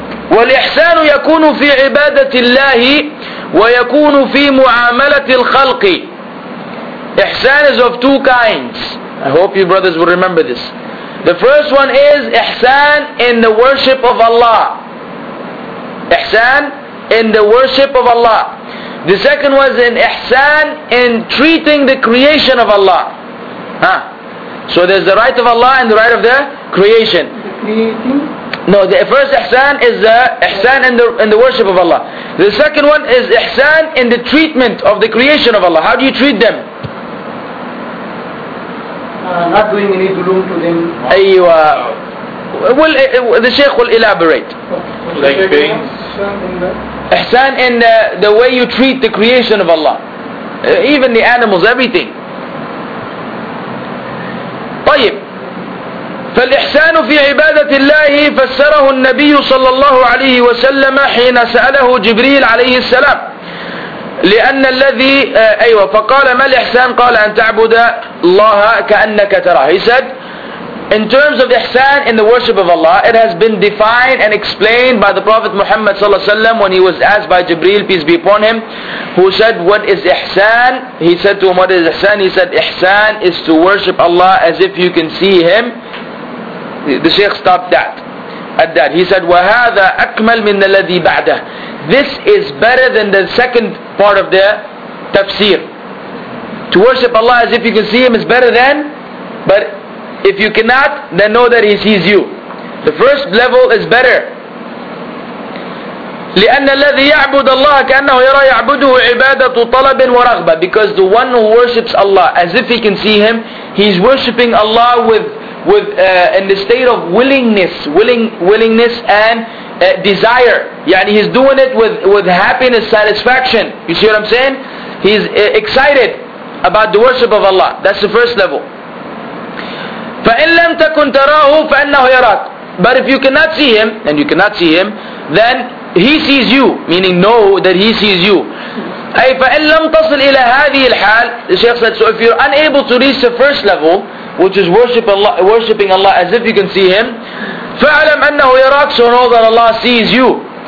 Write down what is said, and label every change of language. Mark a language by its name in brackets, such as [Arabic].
[Arabic] والإحسان يكون في عبادة الله ويكون في معاملة الخلق. [English] إحسان is of two kinds. I hope you brothers will remember this. The first one is إحسان in the worship of Allah. إحسان in the worship of Allah. The second was in إحسان in treating the creation of Allah. Huh. So there's the right of Allah and the right of the creation. No, the first ihsan is the ihsan in the worship of Allah. The second one is ihsan in the treatment of the creation of Allah. How do you treat them? Not doing any zulum to them. Aywa. Well, the Shaykh will elaborate. Like being ihsan in the way you treat the creation of Allah. Even the animals, everything. [Arabic] طيب. فالإحسان في عبادة الله فسره النبي صلى الله عليه وسلم حين سأله جبريل عليه السلام لأن الذي أيوة فقال ما الإحسان قال أن تعبد الله كأنك تراه. [English] He said, in terms of إحسان in the worship of Allah, it has been defined and explained by the Prophet Muhammad صلى الله عليه وسلم when he was asked by جبريل peace be upon him, who said, what is إحسان? He said to him, what is إحسان? He said, إحسان is to worship Allah as if you can see Him. The Shaykh stopped that. At that, he said, [Arabic] "وَهَذَا أَكْمَلٌ مِنَ الَّذِي بَعْدَهُ." [English] This is better than the second part of the tafsir. To worship Allah as if you can see Him is better than, but if you cannot, then know that He sees you. The first level is better. [Arabic] لأن الذي يعبد الله كأنه يرى يعبده عبادة طلب ورغبة. [English] Because the one who worships Allah as if he can see Him, he's worshiping Allah with in the state of willingness and desire. يعني he's doing it with happiness, satisfaction. You see what I'm saying? He's excited about the worship of Allah. That's the first level. [Arabic] فإن لم تكن تراه فإنه يراك. [English] But if you cannot see him, and you cannot see him, then he sees you, meaning know that he sees you. [Arabic] أي فإن لم تصل إلى هذه الحال. [English] The Shaykh said, so if you're unable to reach the first level, which is worshiping Allah as if you can see Him, [Arabic] فَعَلَمْ أَنَّهُ يَرَاكَ. [English] So know that Allah sees you.